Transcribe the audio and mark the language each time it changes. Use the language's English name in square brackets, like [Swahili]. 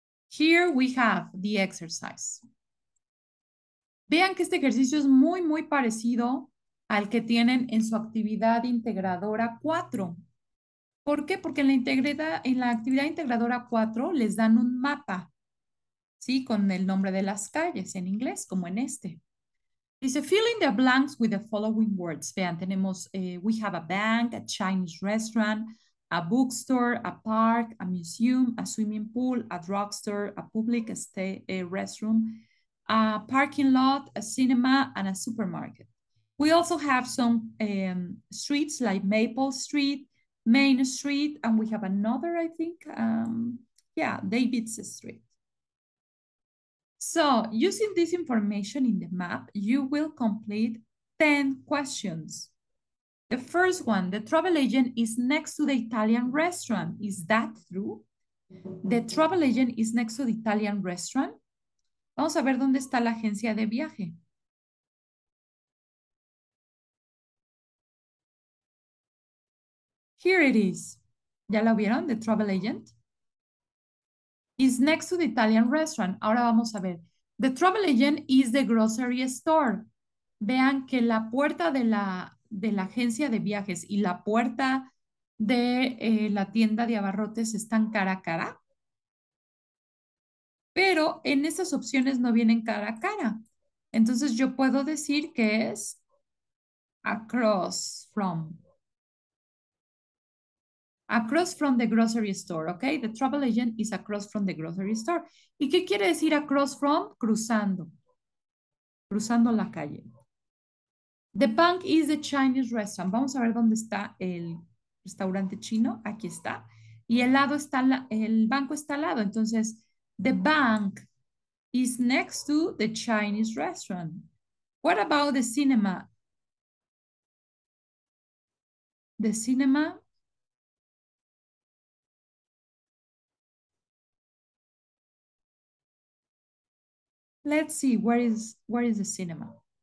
[English] Here we have the exercise. [Spanish] Vean que este ejercicio es muy, muy parecido al que tienen en su actividad integradora 4. ¿Por qué? Porque en la actividad integradora 4 les dan un mapa, ¿sí? Con el nombre de las calles en inglés, como en este. Dice, [English] fill in the blanks with the following words. [Spanish] Vean, tenemos, [English] we have a bank, a Chinese restaurant, a bookstore, a park, a museum, a swimming pool, a drugstore, a public a restroom, a parking lot, a cinema, and a supermarket. We also have some streets like Maple Street, Main Street, and we have another, I think, yeah, David's Street. So using this information in the map, you will complete 10 questions. The first one, the travel agent is next to the Italian restaurant. Is that true? The travel agent is next to the Italian restaurant. [Spanish] Vamos a ver dónde está la agencia de viaje. [English] Here it is. [Spanish] ¿Ya la vieron? [English] The travel agent is next to the Italian restaurant. [Spanish] Ahora vamos a ver. [English] The travel agent is the grocery store. [Spanish] Vean que la puerta de la agencia de viajes y la puerta de la tienda de abarrotes están cara a cara. Pero en esas opciones no vienen cara a cara. Entonces yo puedo decir que es [English] across from the grocery store, [Spanish] ¿ok? [English] The travel agent is across from the grocery store. [Spanish] ¿Y qué quiere decir across from? Cruzando. Cruzando la calle. [English] The bank is the Chinese restaurant. [Spanish] Vamos a ver dónde está el restaurante chino. Aquí está. Y el lado está, el banco está al lado. Entonces, [English] the bank is next to the Chinese restaurant. What about the cinema? The cinema Let's see, where is the cinema?